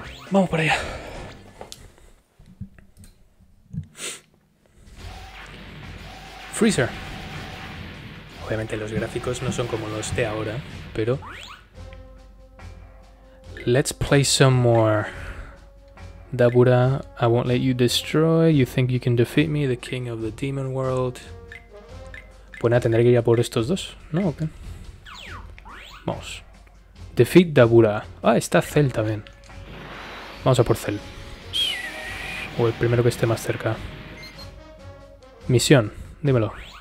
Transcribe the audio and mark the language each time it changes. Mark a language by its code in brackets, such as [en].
[es] Vamos para allá. Freezer. Obviamente los gráficos no son como los de ahora, pero... [en] Let's play some more. Dabura, I won't let you destroy. You think you can defeat me, the king of the demon world. [es] Bueno, tendré que ir a por estos dos. No, ok. Vamos. [en] Defeat Dabura. [es] Ah, está Cell también. Vamos a por Cell. O el primero que esté más cerca. Misión, dímelo.